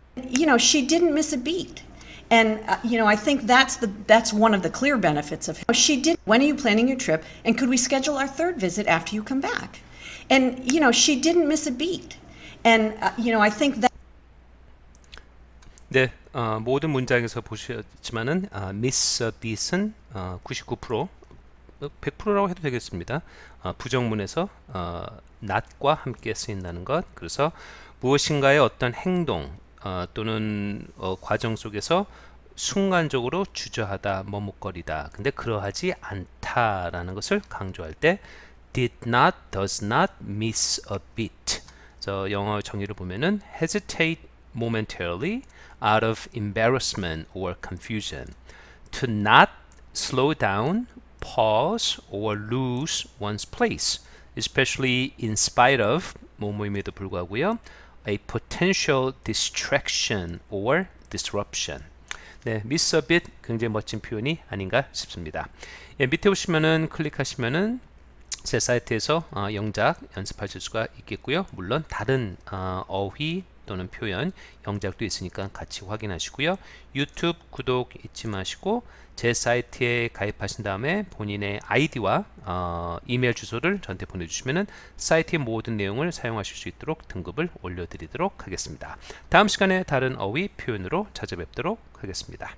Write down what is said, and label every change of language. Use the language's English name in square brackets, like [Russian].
[English] You know, she didn't miss a beat. And, I think that's one of the clear benefits of him. She did. When are you planning your trip? And could we schedule our third visit after you come back? And she didn't miss a beat. And I think that [Korean] 네, 모든 문장에서 보셨지만은 miss a beat은 99%, 100%라고 해도 되겠습니다. 부정문에서 not과 함께 쓰인다는 것. 그래서 무엇인가의 어떤 행동 또는 과정 속에서 순간적으로 주저하다, 머뭇거리다. 근데 그러하지 않다라는 것을 강조할 때 [English] did not, does not miss a beat. [Korean] 그래서 영어 정의를 보면은 hesitate [English] momentarily out of embarrassment or confusion, to not slow down, pause, or lose one's place, especially in spite of, [Korean] 뭐뭐임에도 불구하고요, [English] a potential distraction or disruption. [Korean] 네, miss a beat 굉장히 멋진 표현이 아닌가 싶습니다. 예, 밑에 오시면은 클릭하시면은 제 사이트에서 영작 연습하실 수가 있겠고요. 물론 다른 어휘 또는 표현 영작도 있으니까 같이 확인하시고요. 유튜브 구독 잊지 마시고 제 사이트에 가입하신 다음에 본인의 아이디와 이메일 주소를 저한테 보내주시면은 사이트의 모든 내용을 사용하실 수 있도록 등급을 올려드리도록 하겠습니다. 다음 시간에 다른 어휘 표현으로 찾아뵙도록 하겠습니다.